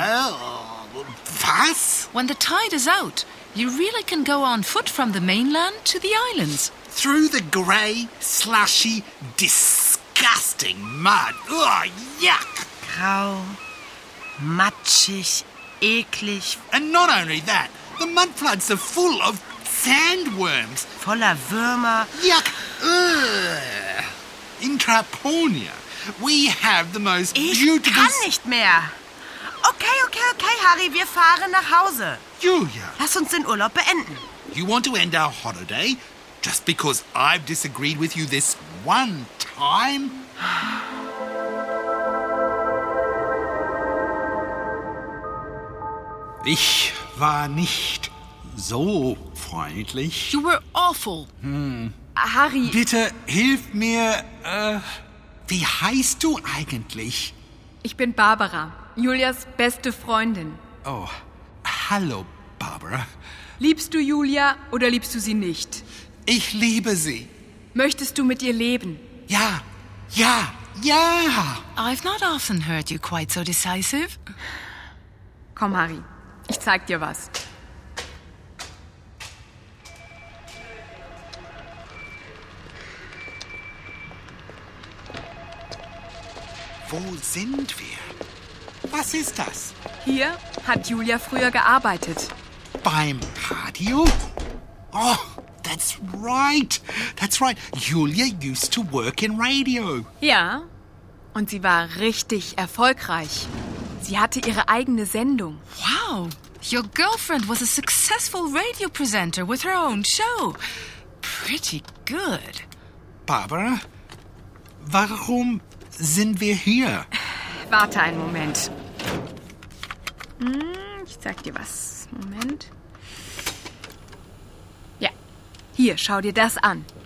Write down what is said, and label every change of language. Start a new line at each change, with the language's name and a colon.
German: Oh, was?
English: When the tide is out, you really can go on foot from the mainland to the islands. Through the grey, slushy, disgusting mud. Oh, yuck.
German: Grau, matschig, eklig.
English: And not only that, the mud floods are full of sandworms.
German: Voller Würmer.
English: Yuck! Ugh. In Traponia, we have the most beautiful...
German: Ich kann nicht mehr. Okay, Harry, wir fahren nach Hause. Julia. Lass uns den Urlaub beenden.
English: You want to end our holiday? Just because I've disagreed with you this one time?
German: Ich war nicht so freundlich.
English: You were awful. Harry.
German: Bitte hilf mir. Wie heißt du eigentlich? Ich bin Barbara, Julias beste Freundin. Oh, hallo, Barbara. Liebst du Julia oder liebst du sie nicht? Ich liebe sie. Möchtest du mit ihr leben? Ja, ja, ja.
English: I've not often heard you quite so decisive.
German: Komm, Harry. Ich zeig dir was. Wo sind wir? Was ist das? Hier hat Julia früher gearbeitet. Beim Radio?
English: Oh, that's right. That's right. Julia used to work in radio.
German: Ja, und sie war richtig erfolgreich. Sie hatte ihre eigene Sendung.
English: Wow, your girlfriend was a successful radio presenter with her own show. Pretty good.
German: Barbara, warum sind wir hier? Warte einen Moment. Ich zeig dir was. Moment. Ja, hier, schau dir das an.